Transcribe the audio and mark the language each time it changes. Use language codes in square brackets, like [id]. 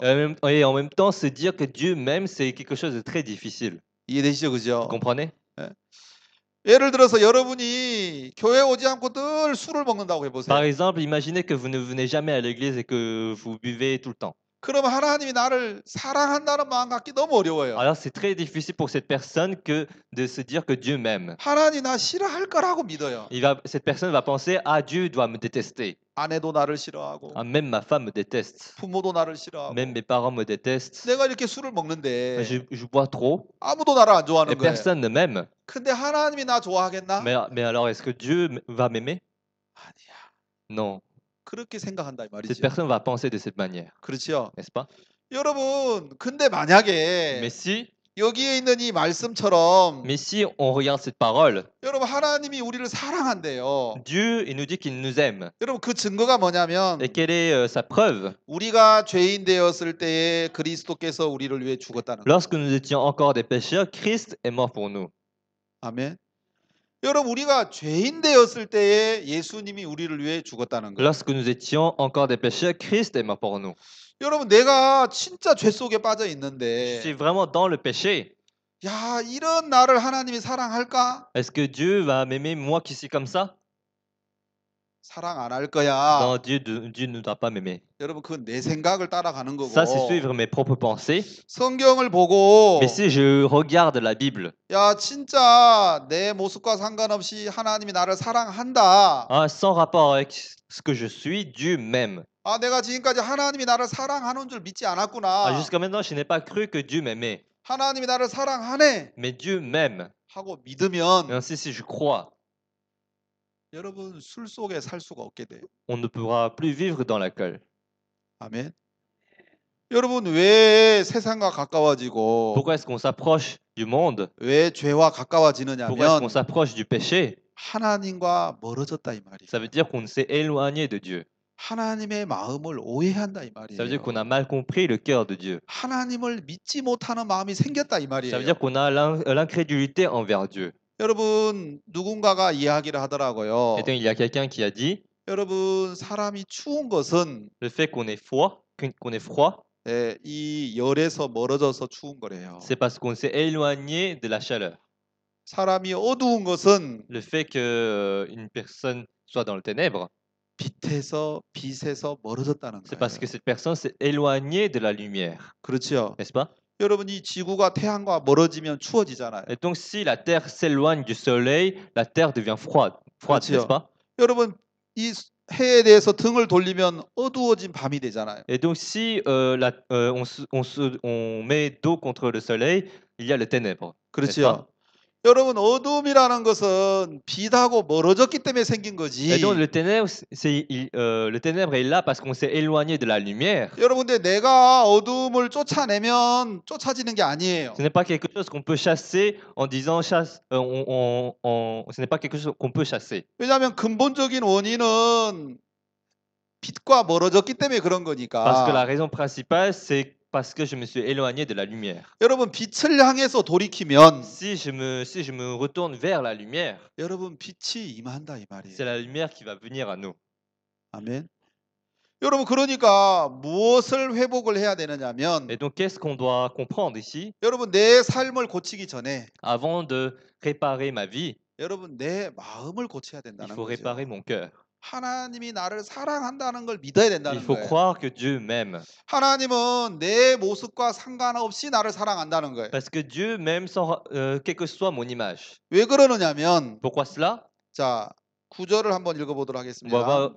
[fr] et en même temps se dire que Dieu m'aime, c'est quelque chose de très difficile. [ko] 이해되시죠, [fr] Vous [ko] 그죠? [fr] comprenez? [ko] Yeah. 예를 들어서 여러분이 교회 오지 않고 늘 술을 먹는다고 해보세요. [fr] Par exemple, imaginez que vous ne venez jamais à l'église et que vous buvez tout le temps. [ko] 그럼 하나님이 나를 사랑한다는 마음 갖기 너무 어려워요. [fr] Alors, c'est très difficile pour cette personne que de se dire que Dieu m'aime. [ko] 하나님 나 싫어할 거라고 믿어요. [fr] Cette personne va penser, ah, Dieu doit me détester. [ko] 아내도 나를 싫어하고, [fr] Ah, même ma femme me déteste. [ko] 부모도 나를 [fr] Même [ko] 싫어하고, [fr] mes parents me détestent. [ko] 내가 이렇게 술을 먹는데 [fr] Je bois trop. [ko] 아무도 나를 안 좋아하는 [fr] Et [ko] 거예요. [fr] personne ne m'aime. [ko] 근데 하나님이 나 좋아하겠나? [fr] Mais alors, est-ce que Dieu va m'aimer? Non. [ko] 그렇게 생각한다 이 [fr] Cette [ko] 말이죠. [fr] personne va penser de cette manière. [ko] 그렇죠? [fr] N'est-ce pas? [ko] 여러분, 근데 만약에 [fr] Mais si, [ko] 여기에 있는 이 말씀처럼 [fr] on regarde cette parole, [ko] 여러분, 하나님이 우리를 사랑한대요. [fr] Dieu, il nous dit qu'il nous aime. [ko] 여러분, 그 증거가 [fr] Et [ko] 뭐냐면, [fr] quelle est sa preuve? [ko] 우리가 죄인 되었을 때에 그리스도께서 우리를 위해 죽었다는 거예요. [fr] Lorsque nous étions encore des pécheurs, Christ est mort pour nous. [ko] 아멘. 여러분, 우리가 죄인 되었을 때에 예수님이 우리를 위해 죽었다는 거예요. [fr] Lorsque nous étions encore des pécheurs, Christ est mort pour nous. [ko] 여러분, 내가 진짜 죄 속에 빠져 [fr] Je [ko] 있는데, [fr] suis vraiment dans le péché. [ko] 야, 이런 나를 하나님이 사랑할까? [fr] Est-ce que Dieu va m'aimer moi qui suis comme ça? [ko] 사랑 안할 거야. [fr] Non, Dieu ne doit pas m'aimer. [ko] 여러분, 그건 내 생각을 따라가는 [fr] Ça, c'est [ko] 거고, [fr] suivre mes propres pensées. [ko] 성경을 [fr] Mais [ko] 보고, [fr] si je regarde la Bible, [ko] "야, 진짜 내 모습과 상관없이 하나님이 나를 사랑한다." [fr] 아, sans rapport avec ce que je suis, Dieu m'aime. [ko] 아, 내가 지금까지 하나님이 나를 사랑하는 줄 믿지 [fr] Ah, [ko] 않았구나. [fr] jusqu'à maintenant, je n'ai pas cru que Dieu m'aimait. [ko] 하나님이 나를 사랑하네. [fr] Mais Dieu m'aime. [ko] 하고 믿으면 [fr] Si, je crois. [ko] 여러분, 술 속에 살 수가 없게 돼요. [fr] On ne pourra plus vivre dans l'alcool. [ko] 아멘. 여러분, 왜 세상과 가까워지고 [fr] Pourquoi est-ce qu'on s'approche du monde? [ko] 왜 죄와 [fr] Pourquoi est-ce qu'on [ko] 가까워지느냐면 [fr] s'approche du péché? [ko] 하나님과 멀어졌다 이 말이에요. [fr] Ça veut dire qu'on s'est éloigné de Dieu. [ko] 하나님의 마음을 오해한다 이 [fr] Ça veut dire qu'on [ko] 말이에요. [fr] a mal compris le cœur de Dieu. [ko] 하나님을 믿지 못하는 마음이 생겼다 이 [fr] Ça veut dire qu'on a l'incrédulité envers Dieu. [ko] 여러분, 누군가가 이야기를 하더라고요. [fr] Et donc, il y a quelqu'un qui a dit [ko] 여러분, 사람이 추운 것은 [fr] le fait qu'on ait froid, qu'on ait froid, [ko] 이 열에서 멀어져서 추운 거래요. [fr] c'est parce qu'on s'est éloigné de la chaleur. [ko] 사람이 어두운 것은 [fr] Le fait qu'une personne soit dans les ténèbres. [ko] 빛에서 멀어졌다는 [fr] C'est parce [ko] 거예요. [fr] que cette personne s'est éloignée de la lumière. [ko] 그렇죠? [fr] N'est-ce pas? [ko] 여러분, 이 지구가 태양과 멀어지면 추워지잖아요. [fr] Et donc, si la Terre s'éloigne du Soleil, la Terre devient froide. Froide, n'est-ce [ko] 그렇죠? [fr] pas? [ko] 여러분, 이 해에 대해서 등을 돌리면 어두워진 밤이 되잖아요. [fr] Et donc si la, on met dos contre le soleil, il y a les ténèbres, n'est-ce pas? [ko] 그렇지요. 여러분, 어둠이라는 것은 빛하고 멀어졌기 때문에 생긴 [fr] Et donc [ko] 거지. [fr] le ténèbre, c'est le ténèbre est là parce qu'on s'est éloigné de la lumière. [ko] 여러분들, 내가 어둠을 쫓아내면 쫓아지는 게 아니에요. [fr] Ce n'est pas quelque chose qu'on peut chasser en disant chasse. Ce n'est pas quelque chose qu'on peut chasser. [ko] 왜냐하면 근본적인 원인은 빛과 멀어졌기 때문에 그런 [fr] Parce que [ko] 거니까. [fr] la raison principale, c'est parce que je me suis éloigné de la lumière. [ko] 여러분, 빛을 향해서 돌이키면 [fr] Si je me retourne vers la lumière, [ko] 여러분, 빛이 임한다 이 [fr] c'est [ko] 말이에요. [fr] la lumière qui va venir à nous. [ko] 아멘. 여러분, 그러니까 무엇을 회복을 해야 되느냐면, [fr] Et donc, qu'est-ce qu'on doit comprendre ici? [ko] 여러분, 내 삶을 고치기 전에 [fr] Avant de réparer ma vie, [ko] 여러분, 내 마음을 고쳐야 된다는 [fr] il faut [ko] 거죠. [fr] réparer mon cœur. [ko] 하나님이 나를 사랑한다는 걸 믿어야 된다는 [fr] Il faut [ko] 거예요. [fr] croire que Dieu m'aime. [ko] 하나님은 내 모습과 상관없이 나를 사랑한다는 거예요. [fr] Parce que Dieu m'aime sans, quelle que soit mon image. [ko] 왜 그러느냐면, [fr] Pourquoi cela? [ko] 자, 구절을 한번 읽어보도록 하겠습니다.